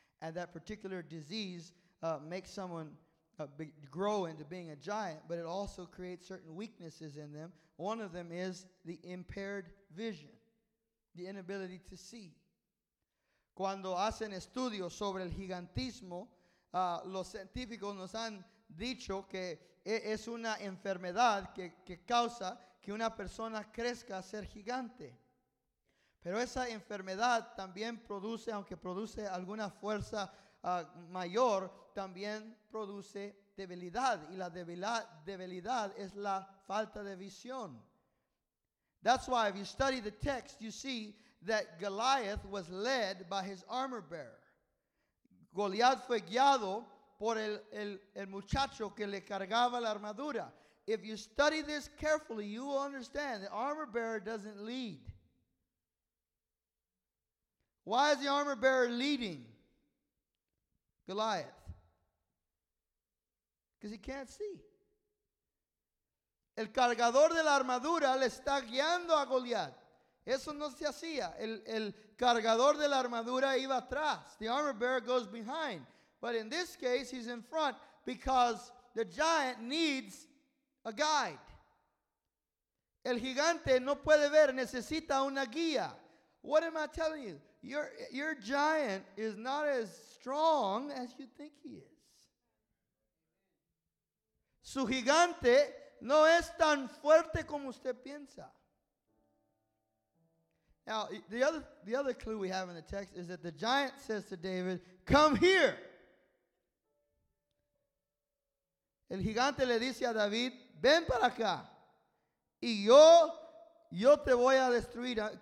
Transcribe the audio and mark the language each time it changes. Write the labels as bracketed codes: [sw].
[en] And that particular disease make someone grow into being a giant, but it also creates certain weaknesses in them. One of them is the impaired vision, the inability to see. [es] Cuando hacen estudios sobre el gigantismo, los científicos nos han dicho que es una enfermedad que causa que una persona crezca a ser gigante. Pero esa enfermedad también produce, aunque produce alguna fuerza mayor, también produce debilidad, y la debilidad es la falta de visión. [en] That's why if you study the text, you see that Goliath was led by his armor bearer. [es] Goliath fue guiado por el muchacho que le cargaba la armadura. [en] If you study this carefully, you will understand the armor bearer doesn't lead. Why is the armor bearer leading Goliath? Because he can't see. [es] El cargador de la armadura le está guiando a Goliath. Eso no se hacía. El cargador de la armadura iba atrás. [en] The armor bearer goes behind. But in this case, he's in front because the giant needs a guide. [es] El gigante no puede ver. Necesita una guía. [en] What am I telling you? Your giant is not as strong as you think he is. [es] Su gigante no es tan fuerte como usted piensa. [en] Now, the other clue we have in the text is that the giant says to David, "Come here." [es] El gigante le dice a David, "Ven para acá, y yo te voy a destruir.